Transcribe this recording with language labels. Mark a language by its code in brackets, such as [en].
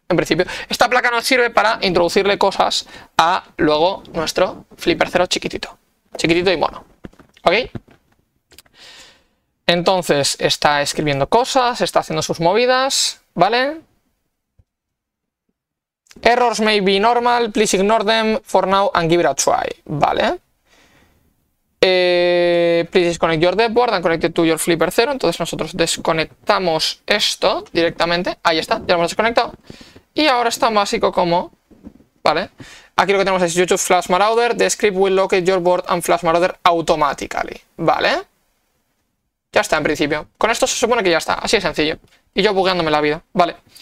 [es] En principio, esta placa nos sirve para introducirle cosas a luego nuestro Flipper 0 chiquitito. Chiquitito y mono. ¿Ok? Entonces, está escribiendo cosas, está haciendo sus movidas, ¿vale? [en] Errors may be normal, please ignore them for now and give it a try. ¿Vale? Please disconnect your deadboard and connect it to your Flipper 0. [es] Entonces nosotros desconectamos esto directamente. Ahí está, ya lo hemos desconectado. Y ahora es tan básico como, vale, aquí lo que tenemos es [en] YouTube Flash Marauder, the script will locate your board and Flash Marauder automatically, [es] vale. Ya está en principio, con esto se supone que ya está, así de sencillo. Y yo bugueándome la vida, vale.